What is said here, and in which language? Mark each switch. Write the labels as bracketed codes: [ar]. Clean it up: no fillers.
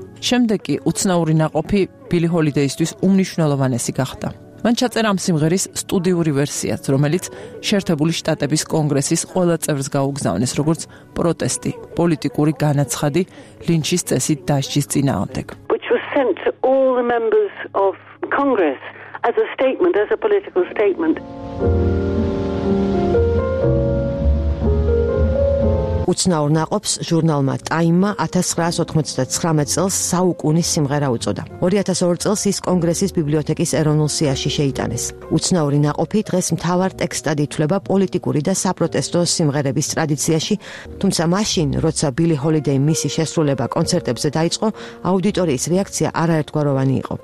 [ka] შემდეგ კი უცნაური ნაყოფი ბილი ჰოლიდეისთვის უმნიშვნელოვანესი გახდა. მან ჩაწერა ამ სიმღერის სტუდიური ვერსიაც, რომელიც შეერთებული შტატების კონგრესის ყველა წევრს გაუგზავნეს, როგორც პროტესტი, პოლიტიკური განაცხადი ლინჩის წესით დასჯის წინააღმდეგ. [en] Which was sent to all the members of Congress as a statement, as a political statement. [ka] უცნაურ ნაყოფს ჟურნალმა ტაიმმა 1999 წელს საუკუნის სიმღერა უწოდა. 2002 წელს ის კონგრესის ბიბლიოთეკის ეროვნულ სიაში შეიტანეს. უცნაური ნაყოფი დღეს მთავარ ტექსტად ითვლება პოლიტიკური და საპროტესტო სიმღერების ტრადიციაში, თუმცა მაშინ, როცა ბილი ჰოლიდეი მისი შესრულება კონცერტებზე დაიწყო, აუდიტორიის რეაქცია არაერთგვაროვანი იყო.